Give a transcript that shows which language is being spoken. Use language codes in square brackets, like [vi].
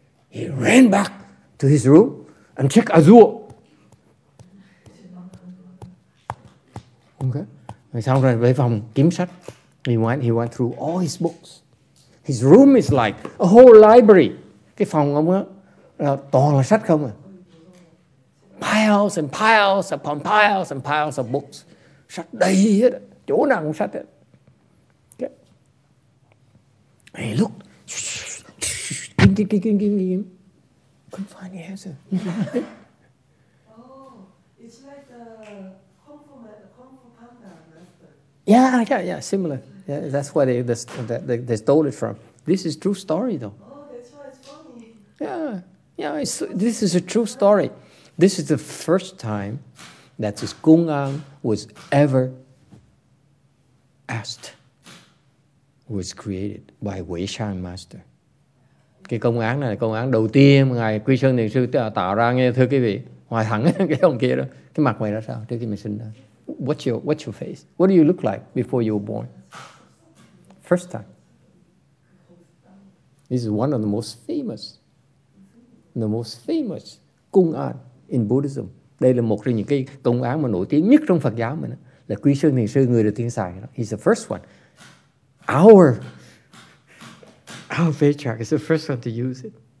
[en] He ran back to his room. And check Azure. Okay. [vi] Rồi xong rồi về phòng kiếm sách. [en] He went through all his books. His room is like a whole library. [vi] Cái phòng ông á là toàn là sách không à. [en] Piles and piles upon piles and piles of books. [vi] Sách đầy hết. Chỗ nào cũng sách hết. Okay. [en] He looked. Kim. Couldn't find the answer. Oh, it's like the Kung Fu Panda method. Yeah, similar. Yeah, that's where they stole it from. This is true story, though. Oh, that's why it's funny. Yeah, this is a true story. This is the first time that this Kung An was ever asked, was created by Wei Shan Master. [vi] Cái công án này là công án đầu tiên mà Ngài Quy Sơn Thiền Sư tạo ra, nghe thưa quý vị, ngoài thẳng cái ông kia đó. Cái mặt mày ra sao trước khi mày sinh ra? [en] What's your face? What do you look like before you were born? First time. Yeah, first time. This is one of the most famous, the most famous Kung An in Buddhism. [vi] Đây là một trong những cái công án mà nổi tiếng nhất trong Phật giáo mình là Quy Sơn Thiền Sư người được tiên xài. [en] He's the first one. Our Vajra is the first one to use it.